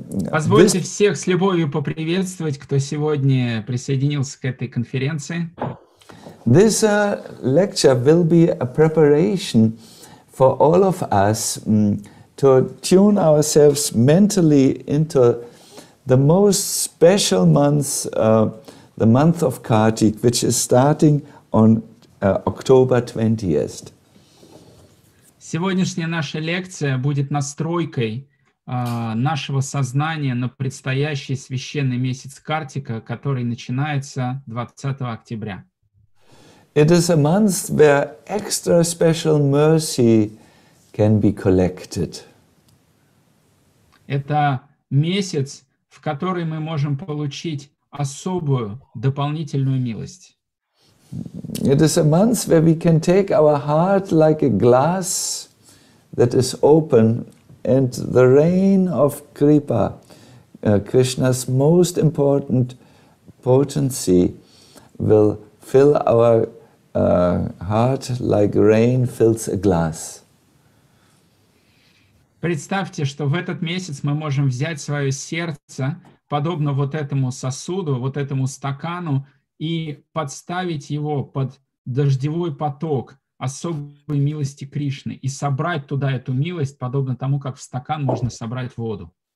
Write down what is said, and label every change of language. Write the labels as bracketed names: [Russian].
[Russian] Позвольте всех с любовью поприветствовать, кто сегодня присоединился к этой конференции. [English] This lecture will be a preparation for all of us to tune ourselves mentally into the most special month, the month of Kartik, which is starting on October 20th. [Russian] Сегодняшняя наша лекция будет настройкой нашего сознания на предстоящий священный месяц Картика, который начинается 20 октября. [English] It is a month where extra special mercy can be collected. [Russian] Это месяц, в который мы можем получить особую дополнительную милость. [English] It is a month where we can take our heart like a glass that is open, and the rain of Kripa, Krishna's most important potency, will fill our heart like rain fills a glass. [Russian] Представьте, что в этот месяц мы можем взять свое сердце, подобно вот этому сосуду, вот этому стакану, и подставить его под дождевой поток особой милости Кришны и собрать туда эту милость, подобно тому, как в стакан можно собрать воду.